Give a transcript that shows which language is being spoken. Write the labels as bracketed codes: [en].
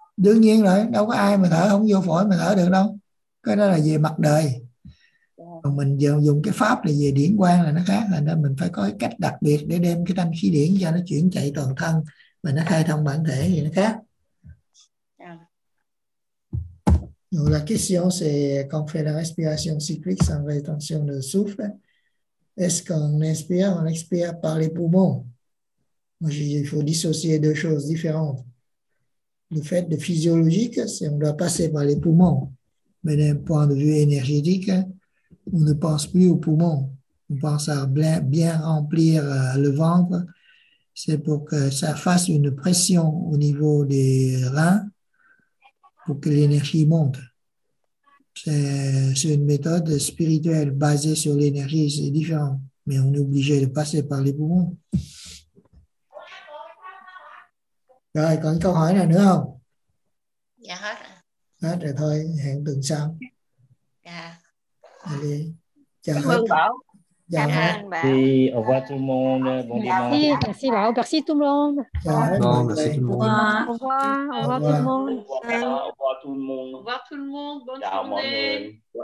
[vi] Đương nhiên rồi, đâu có ai mà thở không vô phổi mà thở được đâu. Cái đó là về mặt đời. Còn mình dùng cái pháp là về điển quang là nó khác, là nên mình phải có cái cách đặc biệt để đem cái thanh khí điển cho nó chuyển chạy toàn thân và nó khai thông bản thể thì nó khác. [fr] Donc la question c'est quand on fait la respiration cyclique sans rétention de souffle, est-ce qu'on inspire, on expire par les poumons? Moi, je dis, il faut dissocier deux choses différentes. Le fait de physiologique, c'est qu'on doit passer par les poumons. Mais d'un point de vue énergétique, on ne pense plus aux poumons. On pense à bien remplir le ventre. C'est pour que ça fasse une pression au niveau des reins, pour que l'énergie monte. C'est une méthode spirituelle basée sur l'énergie, c'est différent. Mais on est obligé de passer par les poumons. [vi] Rồi, còn câu hỏi nào nữa không? Dạ hết rồi. Hết rồi thôi, hẹn tuần sau. Dạ. Đi. Chào hết. Chào hết. [fr] Thì, au revoir tout le monde. Bon dimanche. Merci, Bảo. Merci tout le monde. [vi] Chào hết. [fr] Bon, merci tout le monde. Au revoir. Au revoir tout le monde. Au revoir tout le monde. Bonne journée.